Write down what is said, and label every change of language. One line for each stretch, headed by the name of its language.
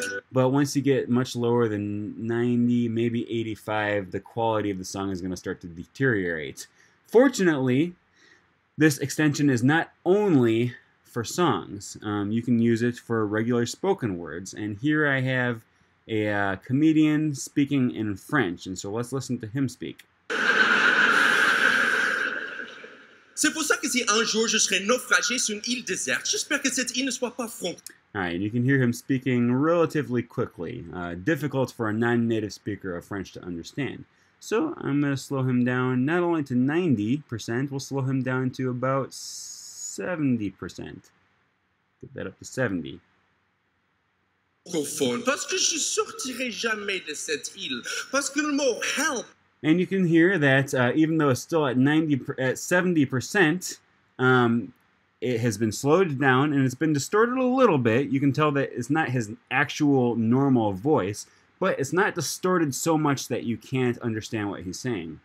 English: But once you get much lower than 90, maybe 85, the quality of the song is gonna start to deteriorate. Fortunately, this extension is not only for songs. You can use it for regular spoken words. And here I have a comedian speaking in French. And so let's listen to him speak.
French: C'est pour ça que si un jour je serai naufragé sur une île déserte, j'espère que cette île ne soit pas franche.
English: Alright, and you can hear him speaking relatively quickly. Difficult for a non-native speaker of French to understand. So I'm going to slow him down not only to 90%, we'll slow him down to about 70%. Get that up to 70.
French: Profond, parce que je sortirai jamais de cette île, parce que le mot help.
English: And you can hear that even though it's still at 70%, it has been slowed down and it's been distorted a little bit. You can tell that it's not his actual normal voice. But it's not distorted so much that you can't understand what he's saying.